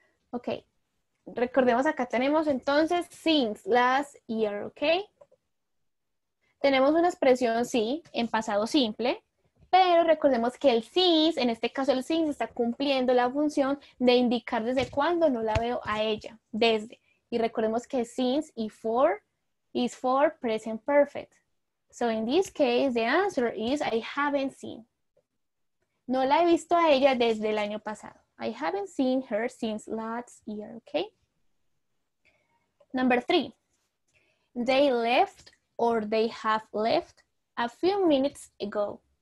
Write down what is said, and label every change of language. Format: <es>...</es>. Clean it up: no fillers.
<es>Okay. Recordemos, acá tenemos entonces</es> <en>since last year,</en> <es>¿ok? Tenemos una expresión sí en pasado simple, pero recordemos que el since, en este caso el since, está cumpliendo la función de indicar desde cuándo no la veo a ella, desde. Y recordemos que</es> <en>since y for is for present perfect. So in this case, the answer is I haven't seen.</en> <es>No la he visto a ella desde el año pasado.</es> <en>I haven't seen her since last year, okay? Number three, they left or they have left a few minutes ago.</en>